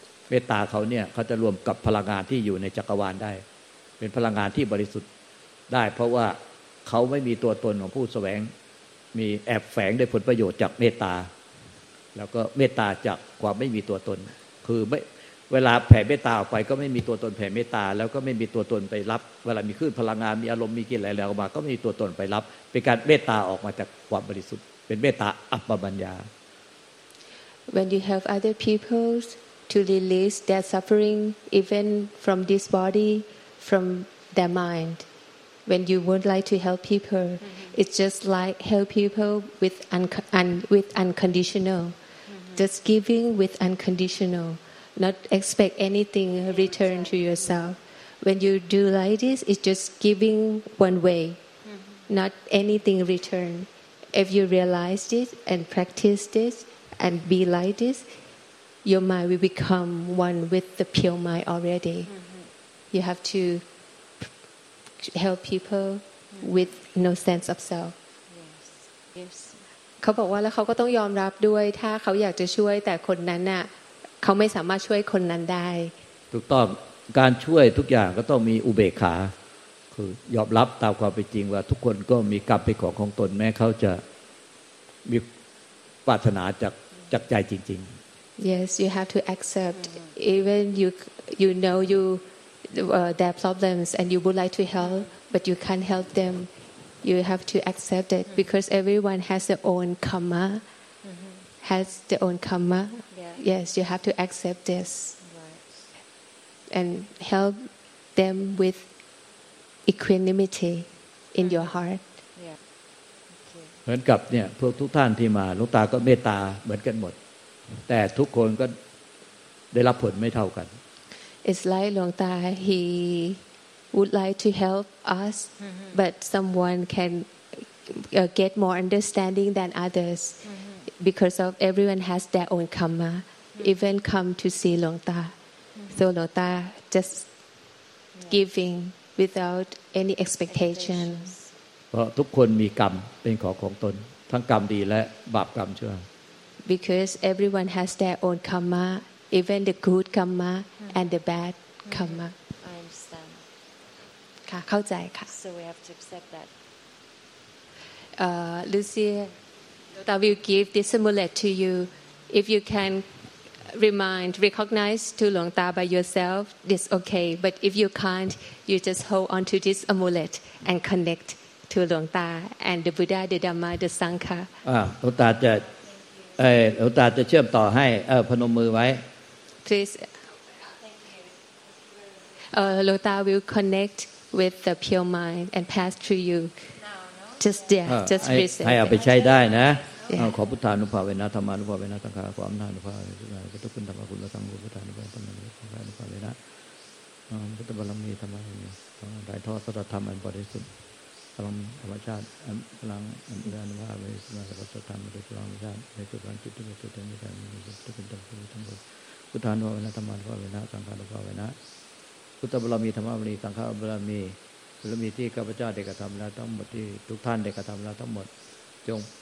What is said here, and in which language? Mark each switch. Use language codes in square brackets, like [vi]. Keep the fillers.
[th] เมตตาเขาเนี่ยเขาจะรวมกับพลังงานที่อยู่ในจักรวาลได้ เป็นพลังงานที่บริสุทธิ์ได้ เพราะว่าเขาไม่มีตัวตนของผู้แสวง มีแอบแฝงได้ผลประโยชน์จากเมตตา แล้วก็เมตตาจากความไม่มีตัวตน คือไม่เวลาแผ่เมตตาออกไป ก็ไม่มีตัวตนแผ่เมตตา แล้วก็ไม่มีตัวตนไปรับ เวลามีคลื่นพลังงานมีอารมณ์มีกิเลสอะไรออกมา ก็ไม่มีตัวตนไปรับ เป็นการเมตตาออกมาจากความบริสุทธิ์ เป็นเมตตาอัปปมัญญา [en] when you help other people to release their suffering, even from this body, from their mind, when you would like to help people, it's just like help people with un- un- with unconditional, just giving with unconditional, not expect anything return to yourself. When you do like this, it's just giving one way not anything return. If you realize this and practice this and be like this, your mind will become one with the pure mind already. You have to help people with no sense of self. Yes. [th] เขาบอกว่าแล้วเขาก็ต้องยอมรับด้วย ถ้าเขาอยากจะช่วยแต่คนนั้นน่ะเขาไม่สามารถช่วยคนนั้นได้ ถูกต้องการช่วยทุกอย่างก็ต้องมีอุเบกขาคือยอมรับตามความเป็นจริงว่า ทุกคนก็มีกรรมเป็นของของตนแม้เขาจะมีปรารถนาจากจากใจจริง [en] Yes, you have to accept even you you know you uh, their problems and you would like to help, but you can't help them. You have to accept it because everyone has their own karma, has their own karma. Yeah. Yes, you have to accept this Right. and help them with equanimity in your heart. Yeah. [th] ๆ เหมือนกับเนี่ยพวกทุกท่านที่มาหลูกตาก็เมตตาเหมือนกันหมด แต่ทุกคนก็ได้รับผลไม่เท่ากัน [en] It's like Long Ta, he would like to help us, but someone can uh, get more understanding than others because of everyone has their own karma. Even come to see Long Ta, so Long Ta just giving without any expectation. [th] เพราะทุกคนมีกรรมเป็นของของตน ทั้งกรรมดีและบาปกรรมชั่ว [en] Because everyone has their own karma, even the good karma and the bad karma. I understand. [th] ค่ะเข้าใจค่ะ [en] So we have to accept that. uh, Lucia, I will give this amulet to you. If you can remind, recognize to Long Ta by yourself, this okay. But if you can't, you just hold on to this amulet and connect to Long Ta and the Buddha, the Dhamma, the Sangha. [th] อ่าหลูกตาจะเออหลูกตาจะเชื่อมต่อให้เออพนมมือไว้ [en] Please. Uh, Long Ta will connect with the pure mind and pass through you. Just there, เออ just [th] ให้ [en] receive [th] ให้เอา [en] it. [th] ไปใช้ได้นะ เออ เอาขอพุทธานุภาเวนะธรรมานุภาเวนะสังฆาความนานุภาเวนะพุทธคุณธรรมคุณและสังฆคุณพุทธานุภาเวนะธรรมานุภาเวนะสังฆานุภาเวนะอ่าพุทธบารมีธรรมบารมีของถ่ายทอดสตธรรมอันบริสุทธิ์พลังธรรมชาติอันพลังอันดานุภาเวนะสังฆาสัตธรรมโดยพลังธรรมชาติในจุดการจิตที่มีจุดที่มีการมีจุดที่เป็นธรรมคุณทั้งหมดพุทธานุภาเวนะธรรมานุภาเวนะสังฆานุภาเวนะ พุทธบารมีธรรมบารมีสังฆบารมีบารมีที่ข้าพเจ้าได้กระทำแล้วทั้งหมดที่ทุกท่านได้กระทำแล้วทั้งหมด จง